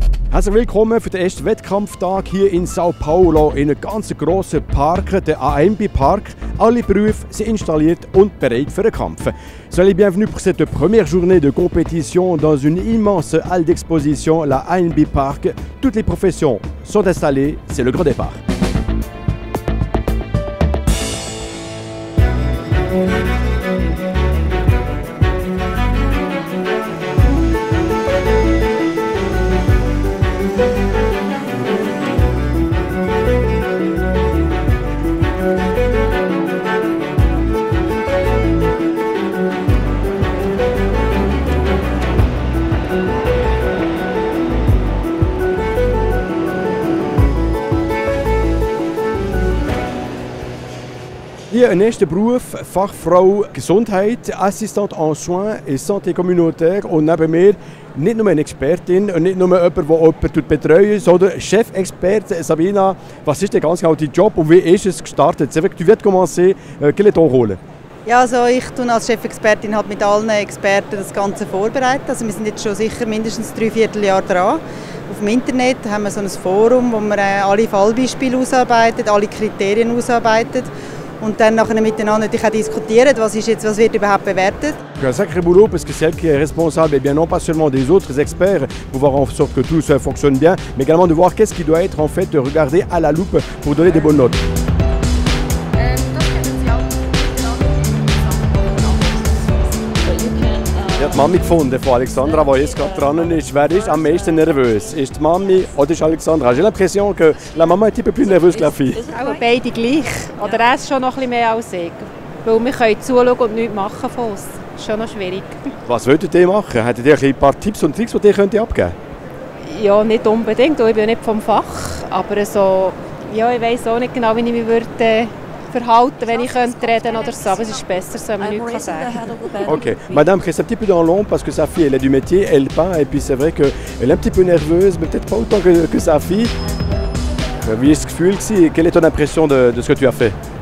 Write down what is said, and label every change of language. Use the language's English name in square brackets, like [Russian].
[German] herzlich willkommen für den ersten Wettkampftag hier in Sao Paulo in einem ganz grossen Park, der AMB Park. Alle Berufe sind installiert und bereit für den Kampf. [French] Soyez les bienvenus pour cette première journée de compétition dans une immense halle d'exposition, la AMB Park. Toutes les professions sont installées, c'est le grand départ. [German] Hier ein erster Beruf, Fachfrau Gesundheit, Assistant en Soins et Santé Communautaire und neben mir nicht nur eine Expertin und nicht nur jemand, der jemanden betreut, sondern Chef-Experte Sabina. Was ist denn ganz genau dein Job und wie ist es gestartet? [French] Sabina, [German] du wirst [French] commencer, quel est ton rôle? [German] Ja, also ich tue als Chef-Expertin halt mit allen Experten das Ganze vorbereiten. Also wir sind jetzt schon sicher mindestens 3/4 Jahr dran. Auf dem Internet haben wir so ein Forum, wo wir alle Fallbeispiele ausarbeiten, alle Kriterien ausarbeiten. Und dann nachher miteinander auch diskutieren, was ist jetzt, was wird überhaupt bewertet. [French] Un sacré boulot, parce que c'est elle qui est responsable, et bien non pas seulement des autres experts, pour voir en sorte que tout fonctionne bien, mais également de voir qu'est-ce qui doit être en fait regardé à la loupe pour donner des bonnes notes. [German] Ich habe die Mami gefunden von Alexandra, die jetzt gerade dran ist. Wer ist am meisten nervös? Ist die Mami oder ist Alexandra? [French] J'ai l'impression que la Mama est un peu plus nervös que la fille. [German] Aber beide gleich. Oder er ist schon noch ein bisschen mehr als ich. Weil wir können zuschauen und nichts machen von uns. Ist schon noch schwierig. Was würdet ihr machen? Hättet ihr ein paar Tipps und Tricks, die ihr könnt abgeben könnt? Ja, nicht unbedingt. Ich bin ja nicht vom Fach. Aber so, ja, ich weiss auch nicht genau, wie ich mich würde verhalten, wenn ich könnte reden oder so, aber es ist besser, so man nichts sagen. [French] Okay, Madame, reste un petit peu dans l'ombre, parce que sa fille, elle est du métier, elle peint, et puis c'est vrai que elle est un petit peu nerveuse, mais peut-être pas autant que sa fille. [German] Wie ist das Gefühl gsi? [French] Quelle est ton impression de ce que tu as fait?